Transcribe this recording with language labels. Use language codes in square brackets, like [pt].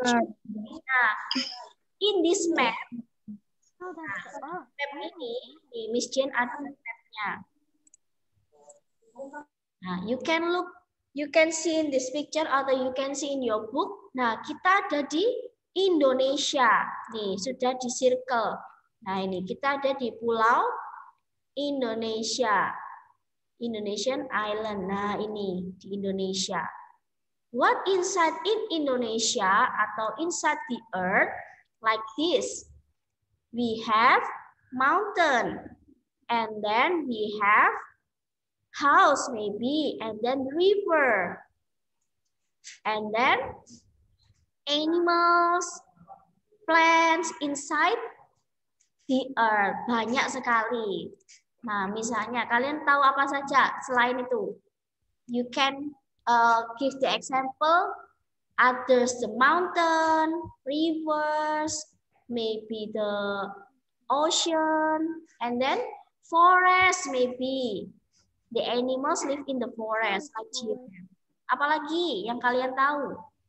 [id] Nah, [en] in this map, [id] map ini di Miss Jane ada mapnya. [en] Nah, you can look, you can see in this picture atau you can see in your book. [id] Nah, kita ada di Indonesia. Nih, sudah di circle. Nah, ini kita ada di pulau Indonesia. [en] Indonesian Island. [id] Nah, ini di Indonesia. [en] What inside in Indonesia atau inside the earth like this? We have mountain. And then we have house maybe, and then river. And then animals, plants inside the earth. [id] Banyak sekali. Nah, misalnya kalian tahu apa saja selain itu? [en] You can give the example. Others, the mountain, rivers, maybe the ocean, and then forest maybe. The animals live in the forest. [id] Apalagi yang kalian tahu?